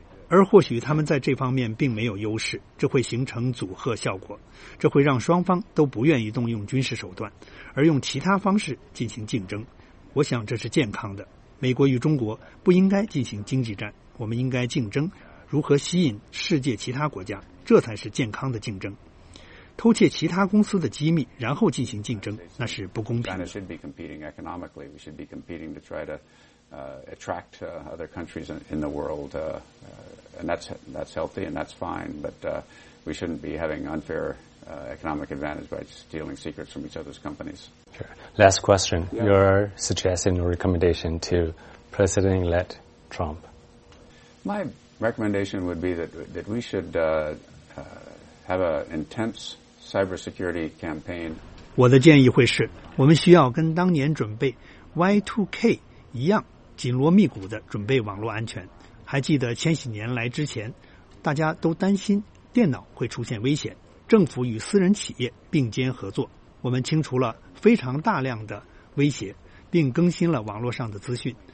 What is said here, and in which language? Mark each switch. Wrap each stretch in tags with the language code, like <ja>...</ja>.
<zh>而或许他们在这方面并没有优势，这会形成阻吓效果，这会让双方都不愿意动用军事手段，而用其他方式进行竞争。我想这是健康的。美国与中国不应该进行经济战，我们应该竞争如何吸引世界其他国家，这才是健康的竞争。偷窃其他公司的机密然后进行竞争，那是不公平的。</zh> <en>China should be competing economically. We should be competing to try to attract other countries in the world, and that's healthy and that's fine, but we shouldn't be having unfair economic advantage by stealing secrets from each other's companies. Sure. Last question. Yeah. Your suggestion or recommendation to President-elect Trump? My recommendation would be that we should have an intense cybersecurity campaign.</en> <zh>我的建议会是，我们需要跟当年准备 Y2K 一样紧锣密鼓地准备网络安全。还记得千禧年来之前，大家都担心电脑会出现危险，政府与私人企业并肩合作，我们清除了非常大量的威胁，并更新了网络上的资讯。</zh>